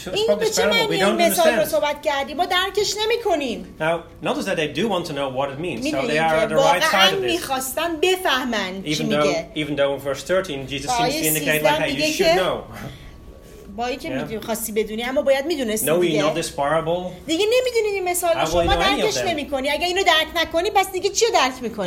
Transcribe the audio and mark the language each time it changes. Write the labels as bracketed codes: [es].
[fa] این به چه معنی این مثال رو صحبت کردیم؟ ما درکش نمی‌کنیم. [en] Now, notice that they do want to know what it means. So they are at the right side of this. [fa] می‌خواستن بفهمن چی میگه. [en] Even though in verse 13 Jesus seems to indicate like, hey, you should know. [fa] با این که میخواستی بدونی، اما باید میدونستی دیگه. دیگه نمیدونید این مثال رو، شما درکش نمی کنی. اگه اینو درک نکنی، پس دیگه چی رو درک میکنی؟